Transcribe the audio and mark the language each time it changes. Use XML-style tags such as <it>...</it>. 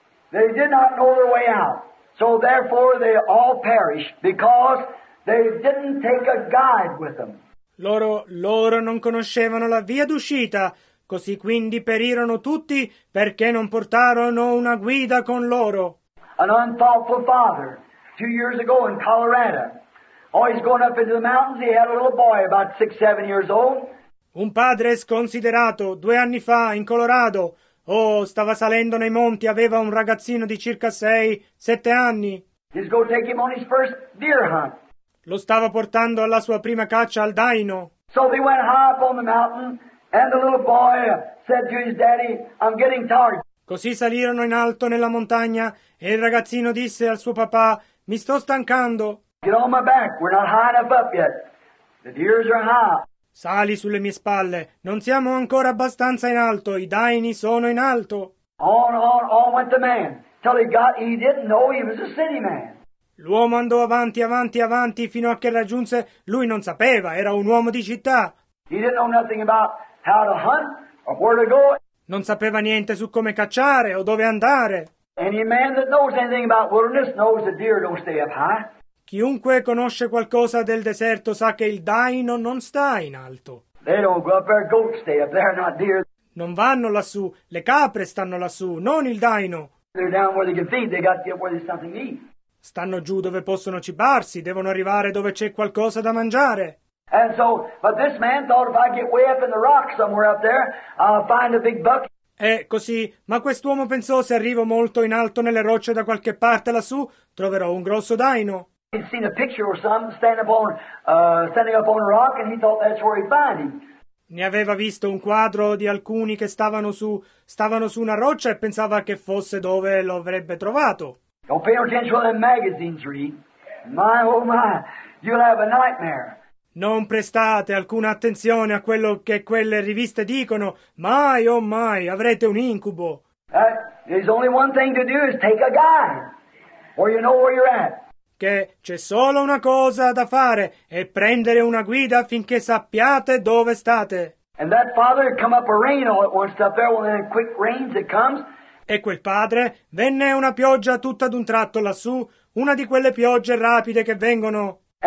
<en>They did not know their way out. So therefore they all perished because they didn't take a guide with them.</en> <it>Loro non conoscevano la via d'uscita, così quindi perirono tutti perché non portarono una guida con loro.</it> <en>An unthoughtful father, 2 years ago in Colorado. Oh, he's going up into the mountains. He had a little boy about 6-7 years old.</en> <it>Un padre sconsiderato, 2 anni fa, in Colorado. Oh, stava salendo nei monti, aveva un ragazzino di circa 6-7 anni.</it> <en>He's going to take him on his first deer hunt.</en> <it>Lo stava portando alla sua prima caccia al daino.</it> <en>So they went high up on the mountain, and the little boy said to his daddy, I'm getting tired.</en> <it>Così salirono in alto nella montagna, e il ragazzino disse al suo papà, mi sto stancando.</it> <en>Get on my back, we're not high enough up yet. The deers are high.</en> <it>Sali sulle mie spalle, non siamo ancora abbastanza in alto, i daini sono in alto.</it> <en>On went the man, till he didn't know he was a city man.</en> <it>L'uomo andò avanti fino a che raggiunse, lui non sapeva, era un uomo di città.</it> <en>He didn't know nothing about how to hunt or where to go.</en> <it>Non sapeva niente su come cacciare o dove andare.</it> <en>Any man that knows anything about wilderness knows the deer don't stay up high.</en> <it>Chiunque conosce qualcosa del deserto sa che il daino non sta in alto.</it> <en>They don't go up there, goats stay up there, not deer.</en> <it>Non vanno lassù, le capre stanno lassù, non il daino.</it> <en>They're down where they can feed, they got to get where there's something to eat.</en> <it>Stanno giù dove possono cibarsi, devono arrivare dove c'è qualcosa da mangiare.</it> <en>And so, but this man thought if I get way up in the rock somewhere up there, I'll find a big buck.</en> <it>E così, ma quest'uomo pensò se arrivo molto in alto nelle rocce da qualche parte lassù, troverò un grosso daino.</it> <en>He'd seen a picture or something standing up on a rock and he thought that's where he'd find him.</en> <it>Ne aveva visto un quadro di alcuni che stavano su una roccia e pensava che fosse dove lo avrebbe trovato.</it> <en>Don't pay attention to them magazines, Reed. My, oh my, you'll have a nightmare.</en> <it>Non prestate alcuna attenzione a quello che quelle riviste dicono.</it> <en>My, oh my,</en> <it>avrete un incubo.</it> <en>There's only one thing to do is take a guide. Or you know where you're at.</en> <it>Che c'è solo una cosa da fare, è prendere una guida finché sappiate dove state.</it> <en>And that father come up a rain all at once up there, well then quick rains it comes.</en> <it>E quel padre, venne una pioggia tutta ad un tratto lassù, una di quelle piogge rapide che vengono.</it>